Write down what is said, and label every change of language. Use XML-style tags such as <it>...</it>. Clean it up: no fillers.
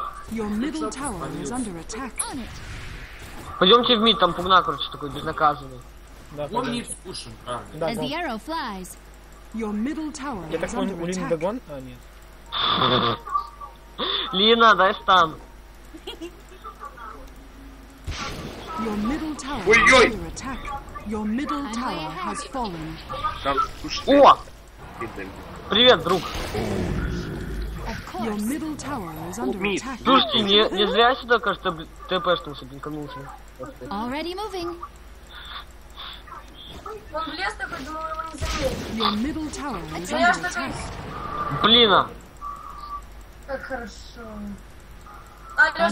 <en>Your middle tower is under attack.</en> <ru>Пойдемте в мид, там пугна, короче, такой безнаказанный. Да, пойдемте.</ru> <en>As the arrow flies, your middle tower is under attack.</en> <ru>Я так понял, у Лины догон? А, нет. Лина, дай стан.</ru> <en>Your middle tower is under attack. Your middle tower has fallen.</en> <ru>О! Привет, друг.</ru> <en>Your middle tower is under attack.</en> <ru>Слушайте, не зря сюда, кажется, ТП-шнулся, блинканулся.</ru> <en>Already moving.</en> <ru>Он в лес такой, думал, его не заметил.</ru> <en>Your middle tower is under attack.</en> <ru>Блин, а! Как хорошо. Алёш,</ru>